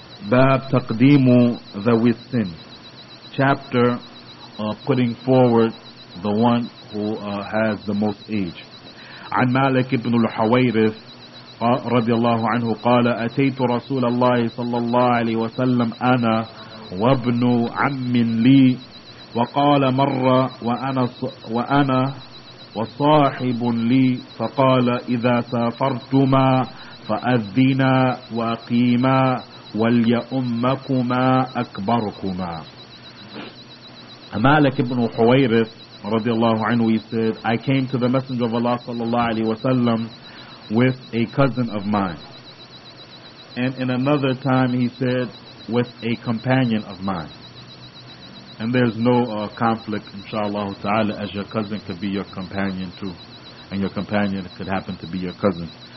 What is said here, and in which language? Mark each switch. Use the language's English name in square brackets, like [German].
[English] Bab taqdimu [Arabic] ذوي السن, [English] chapter putting forward the one who has the most age. [Arabic] عن مالك بن الحويرث رضي الله عنه قال أتيت رسول الله صلى الله عليه وسلم أنا وابن عم لي وقال مرة وأنا وصاحب لي فقال إذا سافرتما فأذينا وقيما وليأمكما أكبركما. [English] مالك بن حويرث [Arabic] رضي الله عنه, [English] he said, I came to the Messenger of Allah [Arabic] صلى الله عليه وسلم [English] with a cousin of mine. And in another time he said, with a companion of mine. And there's no conflict, inshallah ta'ala, as your cousin could be your companion too, and your companion could happen to be your cousin.